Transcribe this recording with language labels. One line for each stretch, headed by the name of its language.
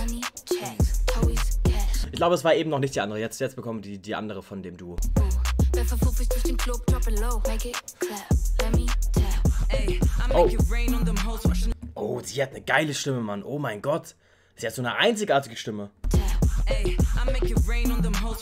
English: Money, Checks, Toys, Cash.
German: Ich glaube, es war eben noch nicht die andere. Jetzt bekommen die die andere von dem Duo. Werfe 50 durch den Club,
English: drop it low. Make it clap, let me tell. Ey, I make it rain on them hoes.
German: Oh, sie hat eine geile Stimme, Mann. Oh mein Gott. Sie hat so eine einzigartige Stimme.
English: Ey, I make it rain on them hoes.